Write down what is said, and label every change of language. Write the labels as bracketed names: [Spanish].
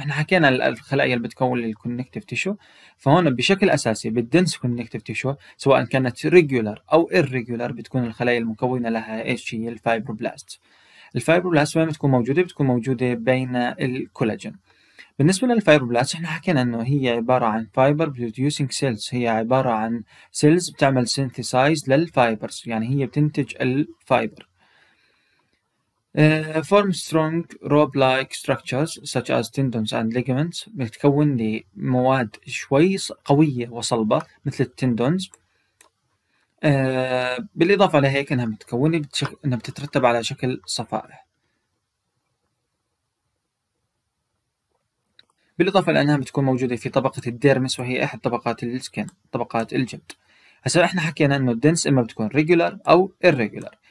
[Arabic] احنا حكينا الخلايا اللي بتكون الكونكتيف تيشو، فهون بشكل اساسي بالدنس كونكتيف تيشو سواء كانت ريجولار او ايرريجولار بتكون الخلايا المكونه لها ايش هي؟ الفايبروبلاست. الفايبروبلاست وين بتكون موجوده؟ بتكون موجوده بين الكولاجين. بالنسبه للفايبروبلاست احنا حكينا انه هي عباره عن فايبر بروديوسينج سيلز، هي عباره عن سيلز بتعمل سينثيسايز للفايبرز، يعني هي بتنتج الفايبر. [English] Form strong rope-like structures such as tendons and ligaments، [Arabic] بتكون لمواد شوي قوية وصلبة مثل التندونز. بالإضافة لهيك إنها متكونة إنها بتترتب على شكل صفائح. بالإضافة لأنها بتكون موجودة في طبقة الديرمس وهي أحد طبقات السكن، طبقات الجلد. هسه إحنا حكينا إنه الدنس إما بتكون [English] regular أو irregular.